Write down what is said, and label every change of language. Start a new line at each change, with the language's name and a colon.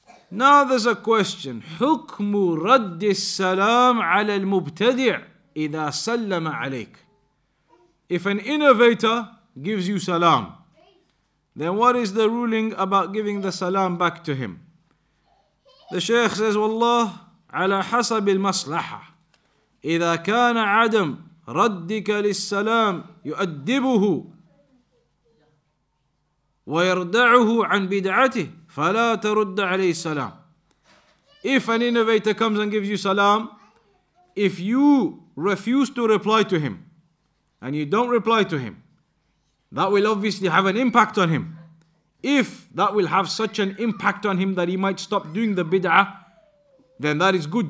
English: Now there's a question.
Arabic: حُكْمُ رَدِّ السَّلَامُ عَلَى الْمُبْتَدِعِ إِذَا سَلَّمَ عَلَيْكَ.
English: If an innovator gives you salam, then what is the ruling about giving the salam back to him? The Shaykh says,
Arabic: والله على حسب المصلحة إذا كان عدم ردك للسلام يؤدبه ويردعه عن بدعته فلا ترد عليه السلام.
English: If an innovator comes and gives you salam, if you refuse to reply to him and you don't reply to him, that will obviously have an impact on him. If that will have such an impact on him that he might stop doing the bid'ah, then that is good.